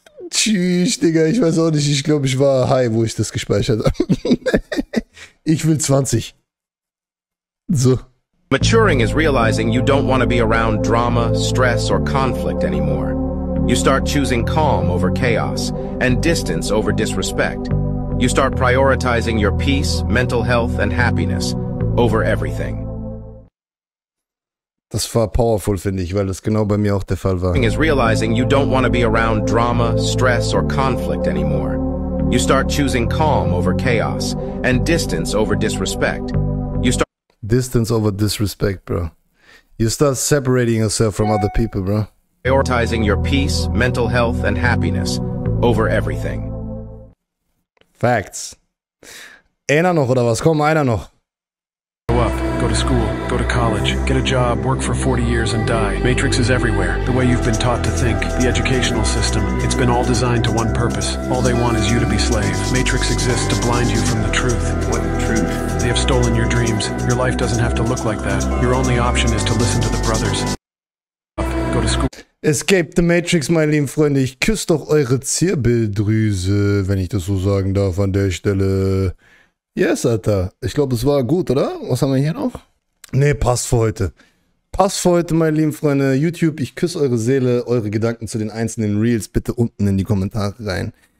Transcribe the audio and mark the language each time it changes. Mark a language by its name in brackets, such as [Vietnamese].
[German] Tschüss, Digga, ich weiß auch nicht, ich glaube, ich war high, wo ich das gespeichert habe. Ich will 20. So. [English] Maturing is realizing you don't want to be around drama, stress or conflict anymore. You start choosing calm over chaos and distance over disrespect. You start prioritizing your peace, mental health and happiness over everything. [German] Das war powerful, finde ich, weil das genau bei mir auch der Fall war. [English] Is realizing you don't want to be around drama, stress or conflict anymore. You start choosing calm over chaos and distance over disrespect. You start distance over disrespect, bro. You start separating yourself from other people, bro. Prioritizing your peace, mental health and happiness over everything. [German] Facts. Einer noch oder was? Komm, einer noch. [English] Go to school, go to college, get a job, work for 40 years and die. Matrix is everywhere. The way you've been taught to think, the educational system, it's been all designed to one purpose. All they want is you to be slave. Matrix exists to blind you from the truth. What truth? They have stolen your dreams. Your life doesn't have to look like that. Your only option is to listen to the brothers. Go to school. Escape the Matrix, [German] meine lieben Freunde. Ich küsse doch eure Zirbeldrüse, wenn ich das so sagen darf an der Stelle. Yes, Alter. Ich glaube, es war gut, oder? Was haben wir hier noch? Nee, passt für heute. Passt für heute, meine lieben Freunde. YouTube, ich küsse eure Seele, eure Gedanken zu den einzelnen Reels bitte unten in die Kommentare rein.